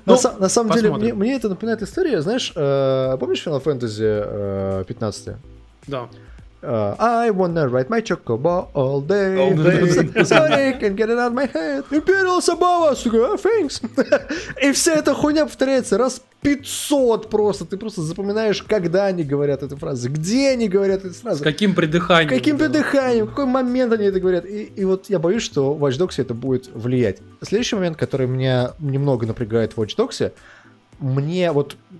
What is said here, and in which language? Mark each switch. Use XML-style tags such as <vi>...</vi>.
<ru>На самом деле, мне это напоминает историю. Знаешь, помнишь Final Fantasy 15? Да.</ru> <en>I wanna ride my chocobo all day, sorry, can't get it out of my head, Imperial Sabawa, thanks.</en> <ru>И вся эта хуйня повторяется раз 500 просто, ты просто запоминаешь, когда они говорят эту фразу, где они говорят эту фразу. С каким придыханием. Какой момент они это говорят. И вот я боюсь, что в Watch Dogs это будет влиять. Следующий момент, который меня немного напрягает в Watch Dogs, мне вот...</ru>